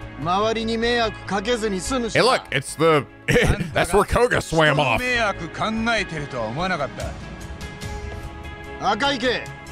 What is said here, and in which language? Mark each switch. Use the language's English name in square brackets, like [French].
[Japanese] ここは追っ手に数で囲まれても逃げ道がいっぱいある。いざって時、周りに迷惑かけずに済むし。 [English] Hey, look, it's the that's where Koga swam off. [Japanese] 迷惑考えてるとは思わなかった。赤池。